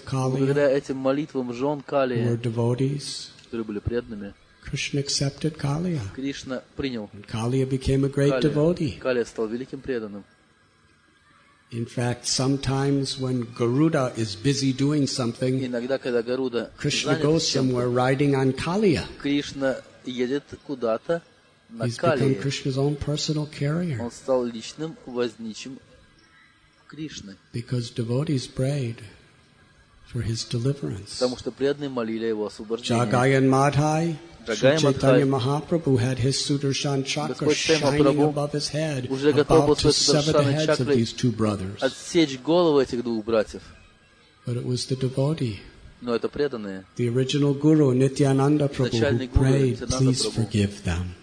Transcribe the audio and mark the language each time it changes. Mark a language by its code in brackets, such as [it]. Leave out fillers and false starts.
[ru] Благодаря этим молитвам жен Кали, которые были преданными, [en] Krishna accepted Kaliya. [ru] Кришна принял. [en] And Kaliya became a great devotee. [ru] Калия стал великим преданным. [en] In fact, sometimes when Garuda is busy doing something, [ru] иногда когда Гаруда занят, [en] Krishna goes somewhere riding on Kaliya. [ru] Кришна едет куда-то на Калии. [en] He's become Krishna's own personal carrier. [ru] Он стал личным возничим Кришны. [en] Because devotees prayed for his deliverance. [ru] Потому что преданные молили его освобождение. [en] Jagayan Madhai. Sri Chaitanya Mahaprabhu had his Sudarshan chakra shining above his head, about to sever the heads of these two brothers. But it was the devotee, the original guru Nityananda Prabhu, who prayed, "Please forgive them.